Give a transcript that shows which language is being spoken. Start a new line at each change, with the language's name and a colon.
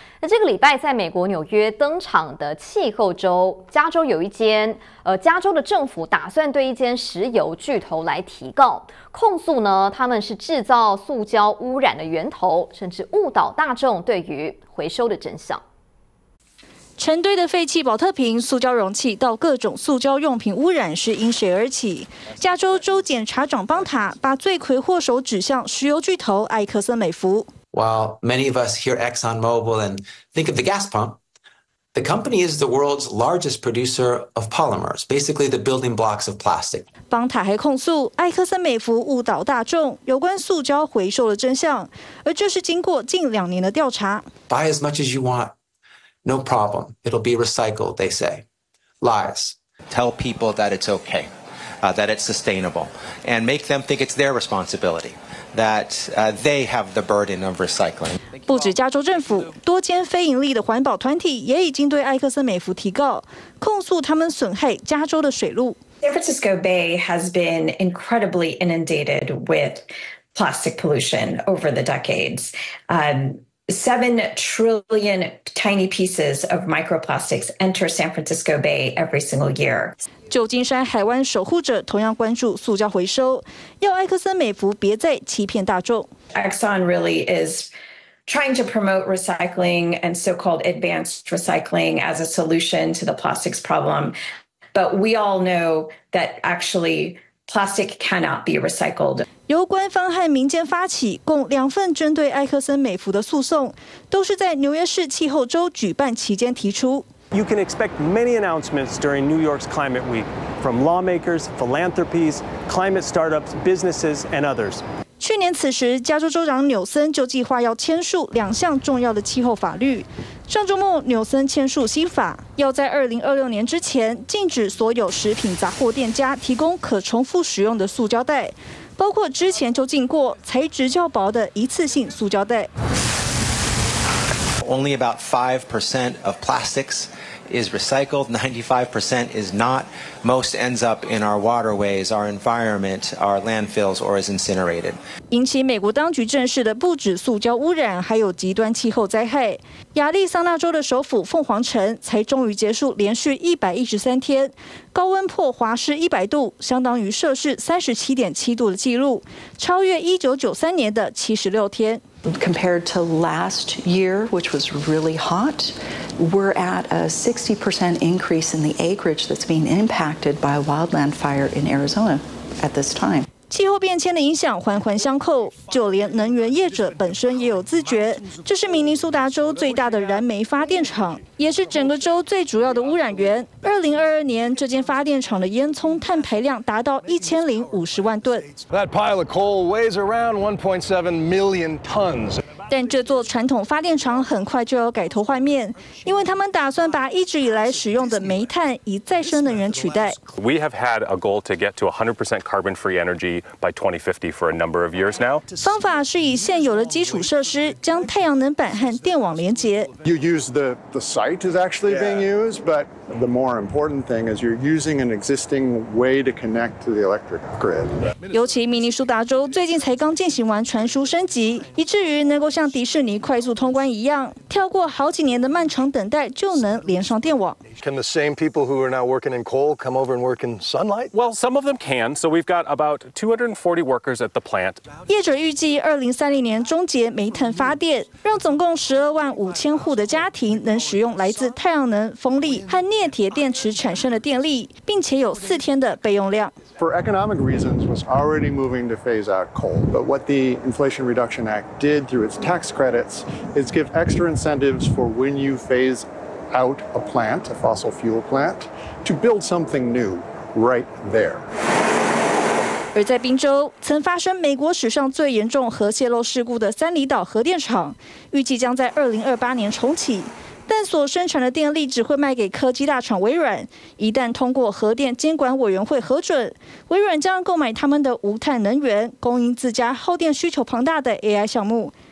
Chinese: 那这个礼拜在美国纽约登场的气候周，加州有一间加州的政府打算对一间石油巨头来提告，控诉呢他们是制造塑胶污染的源头，甚至误导大众对于回收的真相。成堆的废弃保特瓶、塑胶容器到各种塑胶用品污染是因谁而起？加州州检察长邦塔把罪魁祸首指向石油巨头埃克森美孚。
English: While many of us hear ExxonMobil and think of the gas pump, The company is the world's largest producer of polymers, basically the building blocks of plastic.
Chinese: 帮塔黑控诉艾克森美孚误导大众有关塑胶回收的真相，而这是经过近两年的调查。
English: Buy as much as you want, no problem. It'll be recycled, they say. Lies. Tell people that it's okay, that it's sustainable, and make them think it's their responsibility, that they have the burden of recycling.
Chinese: 不止加州政府，多间非盈利的环保团体也已经对埃克森美孚提告，控诉他们损害加州的水路。
English: San Francisco Bay has been incredibly inundated with plastic pollution over the decades. 7 trillion tiny pieces of microplastics enter San Francisco Bay every single year.
Chinese: 旧金山海湾守护者同样关注塑胶回收，要埃克森美孚别再欺骗大众。
English: Exxon really is. Trying to promote recycling and so-called advanced recycling as a solution to the plastics problem. But we all know that actually plastic cannot be recycled.
Chinese: 由官方和民间发起共两份针对埃克森美孚的诉讼，都是在纽约市气候周举办期间提出。
English: You can expect many announcements during New York's Climate Week from lawmakers, philanthropies, climate startups, businesses, and others.
Chinese: 去年此时，加州州长纽森就计划要签署两项重要的气候法律。上周末，纽森签署新法，要在2026年之前禁止所有食品杂货店家提供可重复使用的塑胶袋，包括之前就禁过材质较薄的一次性塑胶袋。
English: Only about 5% of plastics. Is recycled, 95% is not. Most ends up in our waterways, our environment, our landfills, or is incinerated.
Chinese: 引起美国当局正视的不止塑胶污染，还有极端气候灾害。亚利桑那州的首府凤凰城才终于结束连续113天高温破华氏100度，相当于摄氏37.7度的记录，超越1993年的76天。
English: Compared to last year, which was really hot, we're at a 60% increase in the acreage that's being impacted by a wildland fire in Arizona at this time.
Chinese: 气候变迁的影响环环相扣，就连能源业者本身也有自觉。这是明尼苏达州最大的燃煤发电厂，也是整个州最主要的污染源。 2022年，这间发电厂的烟囱碳排量达到1050万吨。
English: That pile of coal weighs around 1.7 million tons.
Chinese: 但这座传统发电厂很快就要改头换面，因为他们打算把一直以来使用的煤炭以再生能源取代。
English: We have had a goal to get to 100% carbon-free energy by 2050 for a number of years now.
Chinese: 方法是以现有的基础设施将太阳能板和电网连接。
English: You use the site is actually being used, but the more important thing is you're using an existing way to connect to the electric grid.
Chinese: 尤其明尼苏达州最近才刚进行完传输升级，以至于能够像迪士尼快速通关一样，跳过好几年的漫长等待，就能连上电网。
English: Can the same people who are now working in coal come over and work in sunlight? Well, some of them can. So we've got about 240 workers at the plant.
Chinese: 业者预计2030年终结煤炭发电，让总共125,000户的家庭能使用来自太阳能、风力和镍铁电池产生的电力，并且有4天的备用量。
English: For economic reasons, was already moving to phase out coal. But what the Inflation Reduction Act did through its tax credits is give extra incentives for when you phase out a plant, a fossil fuel plant, to build something new right there.
Chinese: 而在宾州，曾发生美国史上最严重核泄漏事故的三里岛核电厂，预计将在2028年重启。但所生产的电力只会卖给科技大厂微软。一旦通过核电监管委员会核准，微软将购买他们的无碳能源，供应自家耗电需求庞大的 AI 项目。